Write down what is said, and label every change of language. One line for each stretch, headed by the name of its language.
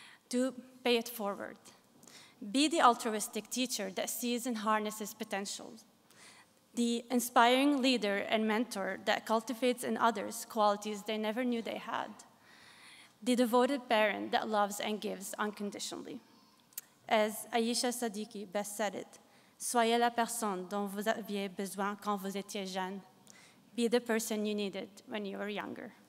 English: To pay it forward. Be the altruistic teacher that sees and harnesses potential. The inspiring leader and mentor that cultivates in others qualities they never knew they had. The devoted parent that loves and gives unconditionally. As Aisha Siddiqui best said it,
French: "Soyez la personne dont vous aviez besoin quand vous étiez jeune."
English: Be the person you needed when you were younger.